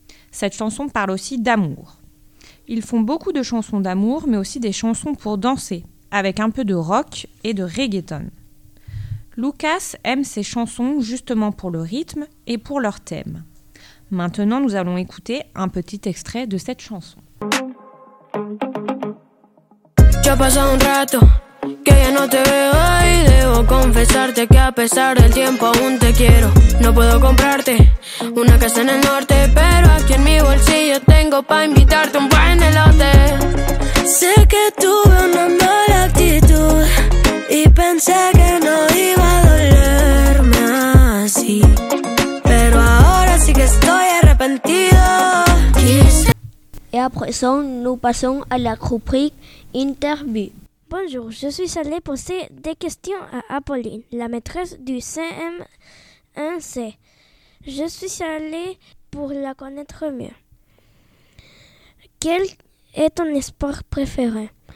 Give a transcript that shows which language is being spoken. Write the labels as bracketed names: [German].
[French] Cette chanson parle aussi d'amour. Ils font beaucoup de chansons d'amour, mais aussi des chansons pour danser, avec un peu de rock et de reggaeton. Lucas aime ces chansons justement pour le rythme et pour leur thème. Maintenant, nous allons écouter un petit extrait de cette chanson. [Spanish] Ya pasa un rato que ya no te veo y debo confesarte que a pesar del tiempo aún te quiero. No puedo comprarte una casa en el norte, pero aquí en mi bolsillo tengo pa invitarte un buen elote. Sé que tuve una mala actitud y pensé que no iba a dolerme así, pero ahora sí que estoy arrepentido. [French] Et à présent, nous passons à la rubrique interview. Bonjour, je suis allée poser des questions à Apolline, la maîtresse du CM1C. Je suis allée pour la connaître mieux. Quel est ton espoir préféré?